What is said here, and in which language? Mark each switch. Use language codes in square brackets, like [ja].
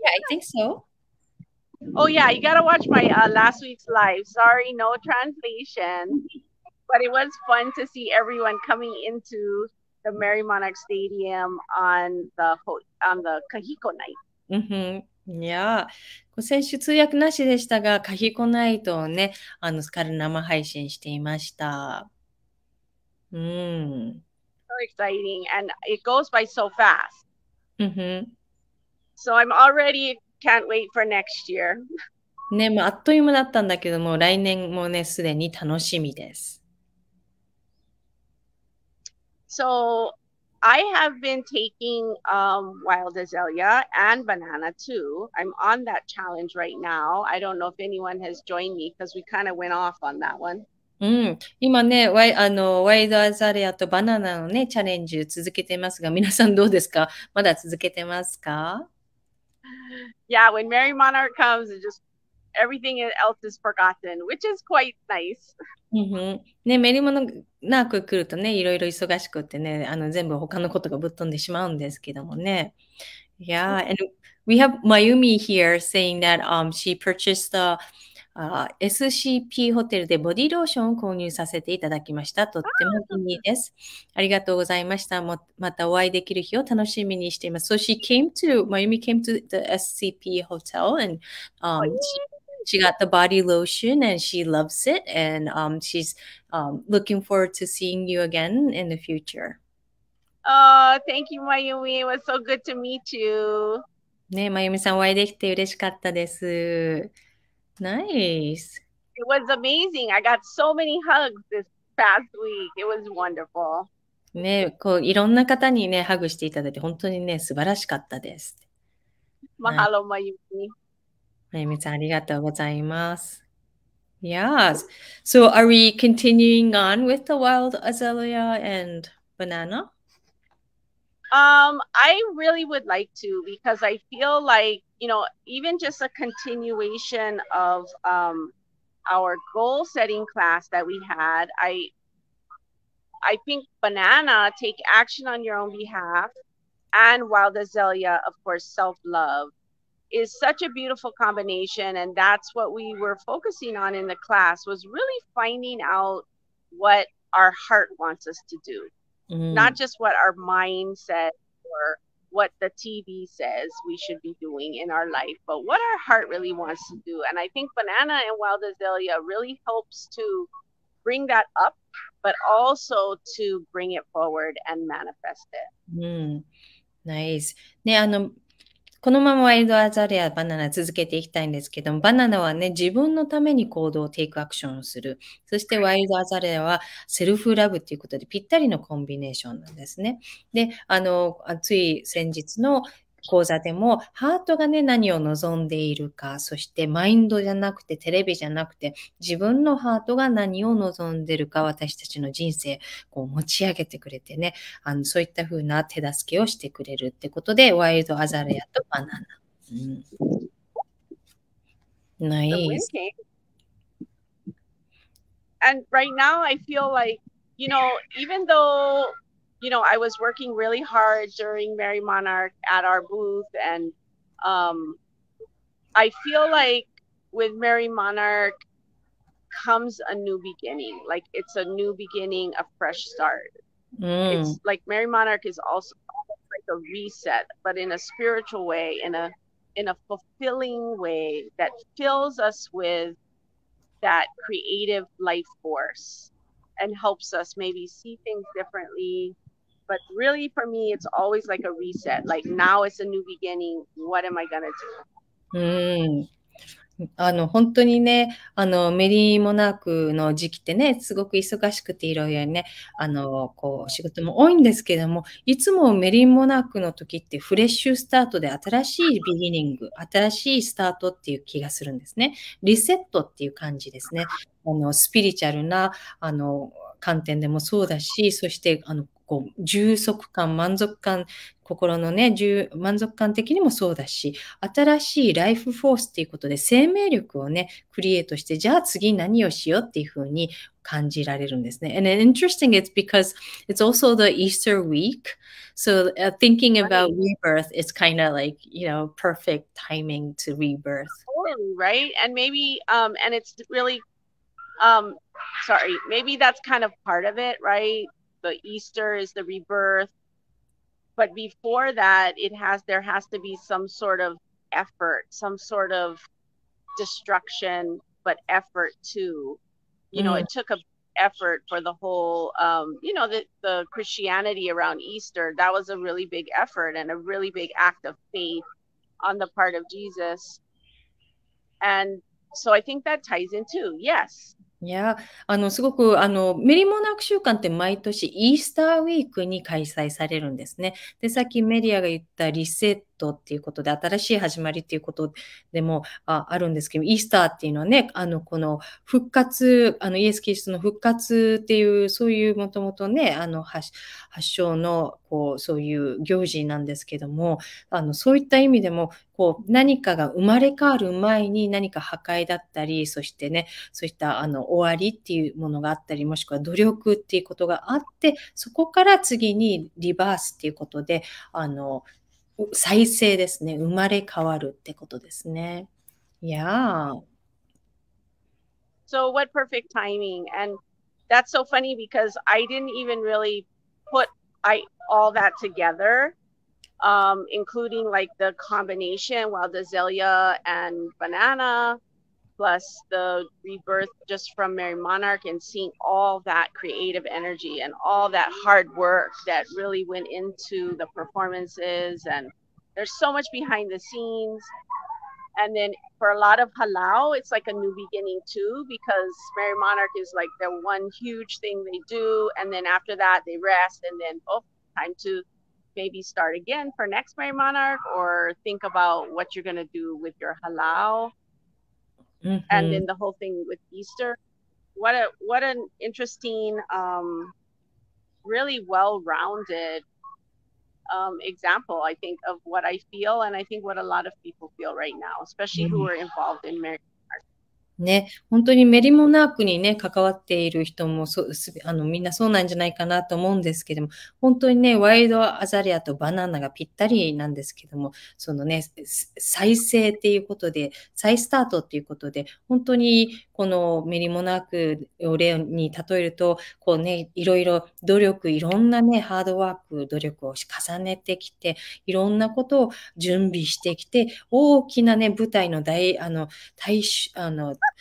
[en] Yeah, I think so. Oh, yeah. You got to watch my last week's live. Sorry, no translation. But it was fun to see everyone coming into the Merry Monarch Stadium on the Kahiko night. Mm-hmm. [ja] 選手通訳なしでしたが、カヒコナイトをね、スカル生配信していました。 [en] So exciting, and it goes by so fast. Mm-hmm. So I'm already can't wait for next year. [ja] ね、もうあっという間だったんだけども、来年もね、すでに楽しみです。 [en] So I have been taking wild azalea and banana too. I'm on that challenge right now. I don't know if anyone has joined me because we kind of went off on that one. [ja] うん、今ね、ワイルドアザレアとバナナのね、チャレンジ続けてますが、皆さんどうですか？まだ続けてますか？ [en] Yeah, when Merry Monarch comes, it just everything else is forgotten, which is quite nice. [ja] ね、メリーモナーク来るとね、いろいろ忙しくってね、全部他のことがぶっ飛んでしまうんですけどもね。 [en] Yeah, and we have Mayumi here saying that she purchased theSCP [ja] ホテルでボディローションを購入させていただきました。とってもいいです。ありがとうございました。またお会いできる日を楽しみにしています。 [en] So she came to, Mayumi came to the SCP hotel and she got the body lotion and she loves it and she's looking forward to seeing you again in the future. Oh, thank you, Mayumi. It was so good to meet you. [ja] ね、Mayumi さんお会いできて嬉しかったです。 [en] Nice. It was amazing. I got so many hugs this past week. It was wonderful. [ja] ね、こういろんな方にね、ハグしていただいて本当にね、素晴らしかったです。マハロ、マユミ。マユミさん、ありがとうございます。 [en] Yes. So are we continuing on with the wild azalea and banana? I really would like to because I feel like, you know, even just a continuation of our goal setting class that we had, I think banana, take action on your own behalf, and wild azalea, of course, self-love, is such a beautiful combination. And that's what we were focusing on in the class, was really finding out what our heart wants us to do. Not just what our mind says or what the TV says we should be doing in our life, but what our heart really wants to do. And I think banana and wild azalea really helps to bring that up, but also to bring it forward and manifest it. Nice. [ja] ね、このままワイルドアザレア、バナナ続けていきたいんですけども、バナナはね、自分のために行動をテイクアクションする。そしてワイルドアザレアはセルフラブということでぴったりのコンビネーションなんですね。で、つい先日の講座でも、ハートがね、何を望んでいるか、そしてマインドじゃなくて、テレビじゃなくて、自分のハートが何を望んでいるか、私たちの人生、こう持ち上げてくれてね、そういった風な手助けをしてくれるってことで、ワイルドアザレアとバナナ。ナイス。 [en] And right now, I feel like, you know, even though... You know, I was working really hard during Merry Monarch at our booth, and I feel like with Merry Monarch comes a new beginning. Like, it's a new beginning, a fresh start. It's like Merry Monarch is also like a reset, but in a spiritual way, in a fulfilling way that fills us with that creative life force and helps us maybe see things differently. But really, for me, it's always like a reset. Like, now it's a new beginning. What am I going to do? [ja] 本当にね、メリーモナークの時期ってね、すごく忙しくていろいろね、こう、仕事も多いんですけども、いつもメリーモナークの時ってフレッシュスタートで新しいビギニング、新しいスタートっていう気がするんですね。リセットっていう感じですね。スピリチュアルな、観点でもそうだし、そして、こう充足感、満足感、心のね、満足感的にもそうだし、新しいライフフォースということで、生命力をね、クリエイトして、じゃあ次何をしようっていうふうに感じられるんですね。 [en] And interesting, it's because it's also the Easter week. So thinking about rebirth is kind of like, you know, perfect timing to rebirth. Right? And maybe, and it's really, sorry, maybe that's kind of part of it, right? The Easter is the rebirth. But before that, there has to be some sort of effort, some sort of destruction, but effort too. You know, it took a effort for the whole, you know, the Christianity around Easter. That was a really big effort and a really big act of faith on the part of Jesus. And so I think that ties in too. Yes. [ja] いや、あの、すごく、あの、メリーモナーク週間って毎年イースターウィークに開催されるんですね。で、さっきメディアが言ったリセットっていうことで、新しい始まりっていうことでも あるんですけど、イースターっていうのはね、あの、この復活、あの、イエス・キリストの復活っていう、そういうもともとね、あの、発祥の、こう、そういう行事なんですけども、あの、そういった意味でも、こう、何かが生まれ変わる前に何か破壊だったり、そしてね、そういった、あの、終わりっていうものがあったり、もしくは努力っていうことがあって、そこから次にリバースっていうことで、あの、再生ですね、生まれ変わるってことですね。 [en] So what perfect timing. And that's so funny because I didn't even really put all that together, including like the combination, wild azalea and banana, plus the rebirth just from Mary Monarch and seeing all that creative energy and all that hard work that really went into the performances. And there's so much behind the scenes. And then for a lot of halau, it's like a new beginning too, because Mary Monarch is like the one huge thing they do. And then after that, they rest and then, oh, time to maybe start again for next Mary Monarch or think about what you're going to do with your halau. Mm-hmm. And then the whole thing with Easter. What an interesting, really well-rounded example, I think, of what I feel and I think what a lot of people feel right now, especially who are involved in Mary Monarch. [ja] ね、本当にメリモナークにね、関わっている人もあのみんなそうなんじゃないかなと思うんですけども、本当にね、ワイルドアザレアとバナナがぴったりなんですけども、そのね、再生っていうことで、再スタートっていうことで、本当にこのメリモナークを例に例えると、こうね、いろいろ努力、いろんなね、ハードワーク、努力を重ねてきて、いろんなことを準備してきて、大きなね、舞台の大、あの、大衆、あの、